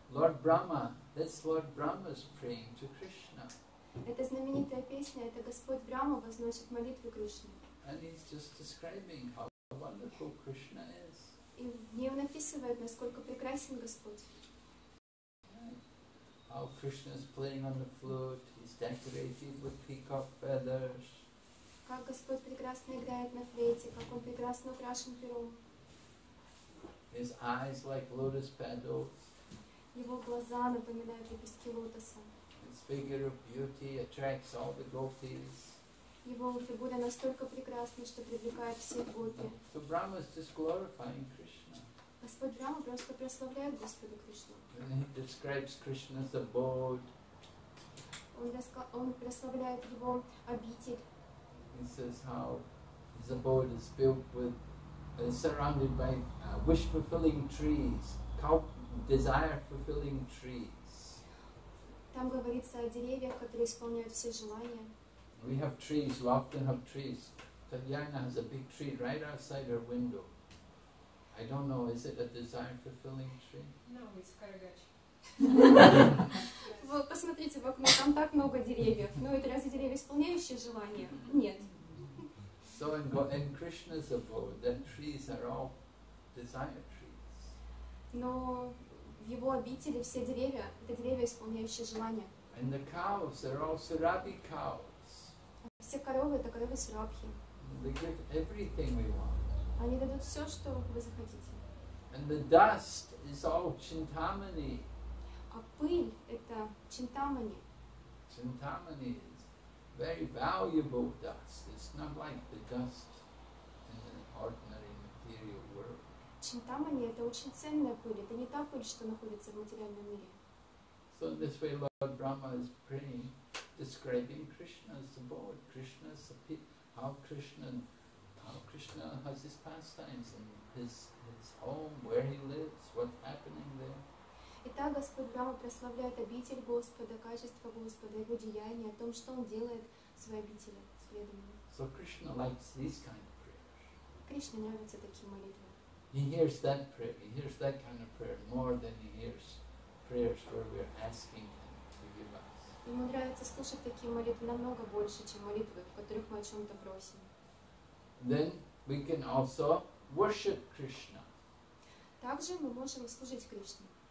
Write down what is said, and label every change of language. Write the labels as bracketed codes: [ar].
[en] Lord Brahma, that's Lord Brahma's praying to Krishna. [ru] Это знаменитая песня, это Господь Брахма возносит молитву Кришне. [en] And he's just describing how wonderful Krishna is. [ru] И в нем написывает, насколько прекрасен Господь. [en] How Krishna is playing on the flute, he's decorated with peacock feathers. [ru] Как Господь прекрасно играет на флейте, как Он прекрасно украшен пером. [en] His eyes like lotus petals. [ru] Его глаза напоминают лепестки лотоса. [en] His figure of beauty attracts all the gopis. [ru] Его фигура настолько прекрасна, что привлекает всех гопи. [en] So Brahma is just glorifying Krishna. [ru] Господь Брахма просто прославляет Господа Кришну. [en] And he describes Krishna as abode. [ru] Он прославляет его обитель. [en] He says how his abode is built with, surrounded by wish-fulfilling trees, desire-fulfilling trees. [ru] Там говорится о деревьях, которые исполняют все желания. [en] We have trees, we often have trees. Tatyana has a big tree right outside her window. I don't know, is it a desire-fulfilling tree? No, it's Karagach. [ru] Вот посмотрите в окно, там так много деревьев. Но это разве деревья исполняющие желания? Нет. [en] So in Krishna's abode, the trees are all desire trees. [ru] Но в его обители все деревья это деревья исполняющие желания. [en] And the cows are all Surabhi cows. [ru] Все коровы это коровы Сурабхи. [en] They give everything we want. [ru] Они дадут все, что вы захотите. [en] And the dust is all Chintamani. [ru] А пыль это Чинтамани. [en] Чинтамани is very valuable dust. It's not like the dust in the ordinary material world. [ru] Чинтамани это очень ценная пыль. Это не та пыль, что находится в материальном мире. [en] So in this way, Lord Brahma is praying, describing Krishna's abode. Krishna's how Krishna has his pastimes and his home, where he lives, what's happening there. [ru] Итак, Господь Брама прославляет обитель Господа, качество Господа, Его деяния, о том, что Он делает в своей обители, следовательно. [en] So Krishna likes these kind of prayers. [ru] Кришне нравятся такие молитвы. [en] He hears that prayer, he hears that kind of prayer more than he hears prayers where we are asking Him to give us. [ru] Ему нравится слушать такие молитвы намного больше, чем молитвы, в которых мы о чем-то просим. [en] Then we can also worship Krishna. [ru] Также мы можем служить Кришне.